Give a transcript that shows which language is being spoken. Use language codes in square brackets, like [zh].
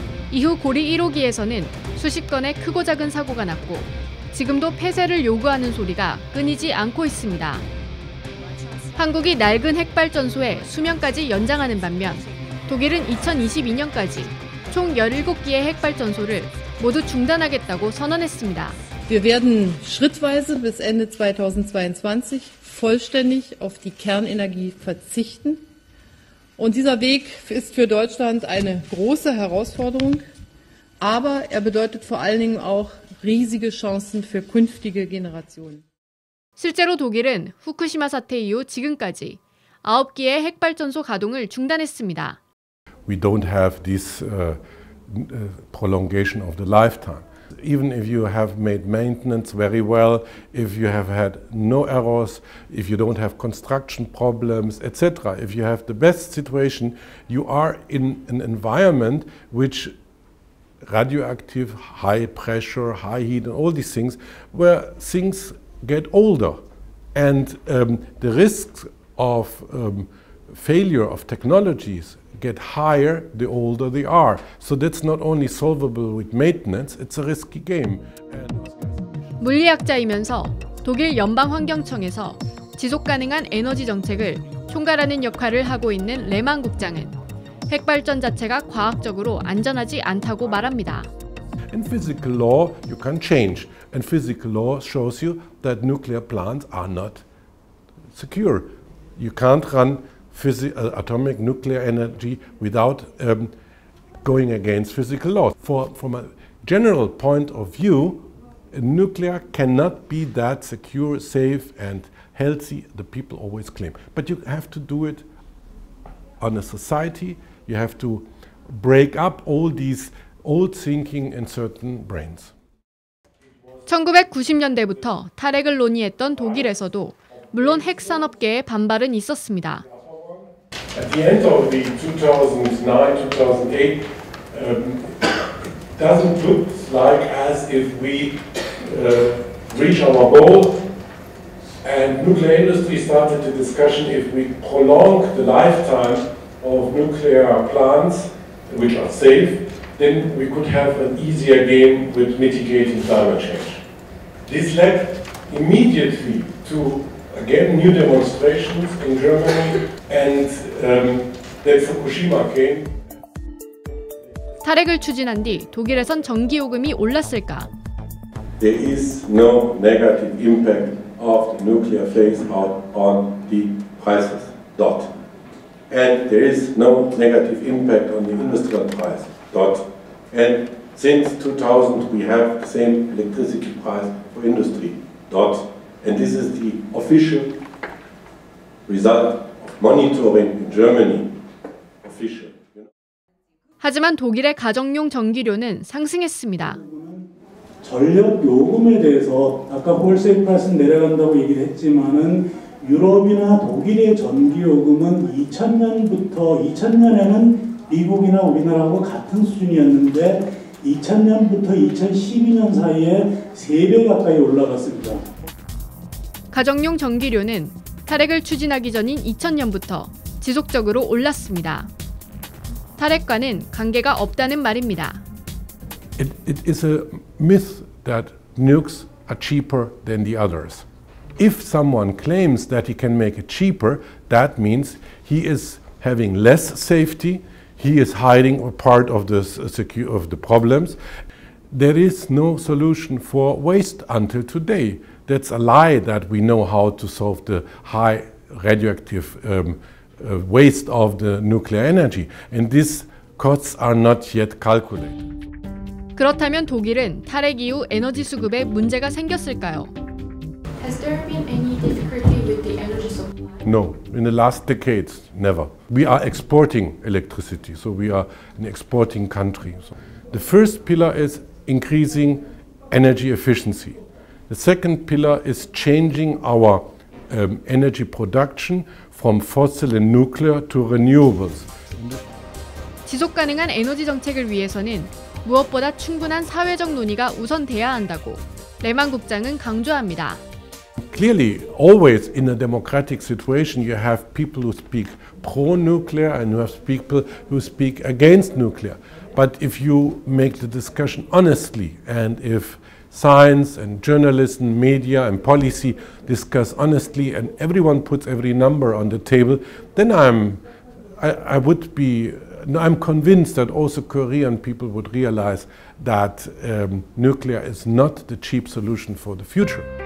[ko] 이후 고리 1호기에서는 수십 건의 크고 작은 사고가 났고 지금도 폐쇄를 요구하는 소리가 끊이지 않고 있습니다. 한국이 낡은 핵발전소의 수명까지 연장하는 반면 독일은 2022년까지 총 17기의 핵발전소를 모두 중단하겠다고 선언했습니다. [de] Wir werden schrittweise bis Ende 2022 vollständig auf die Kernenergie verzichten. Und dieser Weg ist für Deutschland eine große Herausforderung, aber er bedeutet vor allen Dingen auch riesige Chancen für künftige Generationen. [ko] 실제로 독일은 후쿠시마 사태 이후 지금까지 9기의 핵발전소 가동을 중단했습니다. [en] We don't have this prolongation of the lifetime. Even if you have made maintenance very well, if you have had no errors, if you don't have construction problems, etc., if you have the best situation, you are in an environment which radioactive, high pressure, high heat, and all these things, where things get older. And the risks of failure of technologies get higher the older they are. So that's not only solvable with maintenance, it's a risky game. [ko] 물리학자이면서 독일 연방환경청에서 지속가능한 에너지 정책을 총괄하는 역할을 하고 있는 레만 국장은 핵발전 자체가 과학적으로 안전하지 않다고 말합니다. [en] In physical law, you can change. And physical law shows you that nuclear plants are not secure. You can't run atomic nuclear energy without going against physical law. From a general point of view, nuclear cannot be that secure, safe, and healthy the people always claim. But you have to do it on a society. You have to break up all these old thinking in certain brains. [ko] 1990년대부터 탈핵을 논의했던 독일에서도 물론 핵 산업계의 반발은 있었습니다. [en] At the end of the 2009-2008 doesn't look like as if we reach our goal. And nuclear industry started a discussion if we prolong the lifetime of nuclear plants, which are safe, then we could have an easier game with mitigating climate change. This led immediately to, again, new demonstrations in Germany, and then Fukushima came. [ko] 탈핵을 추진한 뒤 독일에선 전기 요금이 올랐을까? [en] There is no negative impact of the nuclear phase out on the prices. Dot. And there is no negative impact on the industrial price. Dot. And since 2000, we have the same electricity price for industry. Dot. And this is the official result of monitoring in Germany. Official. [ko] 하지만 독일의 가정용 전기료는 상승했습니다. 전력 요금에 대해서 아까 홀세일 프라이스 내려간다고 얘기를 했지만은 유럽이나 독일의 전기 요금은 2000년부터 2000년에는 미국이나 우리나라하고 같은 수준이었는데 2000년부터 2012년 사이에 3배 가까이 올라갔습니다. 가정용 전기료는 탈핵을 추진하기 전인 2000년부터 지속적으로 올랐습니다. 탈핵과는 관계가 없다는 말입니다. [en] It is a myth that nukes are cheaper than the others. If someone claims that he can make it cheaper, that means he is having less safety, he is hiding a part of the problems. There is no solution for waste until today. That's a lie that we know how to solve the high radioactive waste of the nuclear energy. And these costs are not yet calculated. [ko] 그렇다면 독일은 탈핵 이후 에너지 수급에 문제가 생겼을까요? [en] Has there been any difficulty with the energy supply? No, in the last decades, never. We are exporting electricity, so we are an exporting country. So the first pillar is increasing energy efficiency. The second pillar is changing our energy production from fossil and nuclear to renewables. [ko] 지속 가능한 에너지 정책을 위해서는 무엇보다 충분한 사회적 논의가 우선돼야 한다고 레만 국장은 강조합니다. [en] Clearly, always in a democratic situation, you have people who speak pro-nuclear and you have people who speak against nuclear. But if you make the discussion honestly, and if science and journalism, media and policy discuss honestly, and everyone puts every number on the table, then I'm convinced that also Korean people would realize that nuclear is not the cheap solution for the future.